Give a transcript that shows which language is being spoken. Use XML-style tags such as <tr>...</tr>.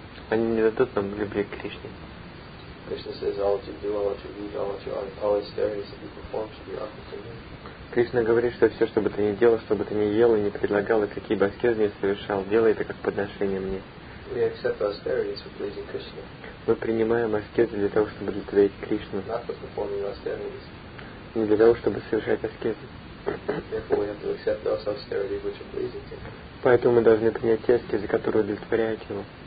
<ru>Они не дадут нам любви к Кришне.</ru> <en>Krishna says all that you do, all that you eat, all that you all austerities that you perform should be offered to me.</en> <ru>Кришна говорит, что все, что бы ты ни делал, что бы ты ни ел и ни предлагал, и какие бы аскезы ни совершал, делай это как подношение мне.</ru> <en>We accept austerities for pleasing Krishna.</en> <ru>Мы принимаем аскезы для того, чтобы удовлетворить Кришну.</ru> <en>Not for performing austerities.</en> <ru>Не для того, чтобы совершать аскезы.</ru> <en>Therefore, we have to accept those austerities which are pleasing to him.</en> <ru>Поэтому мы должны принять те аскезы, которые удовлетворяют его.</ru>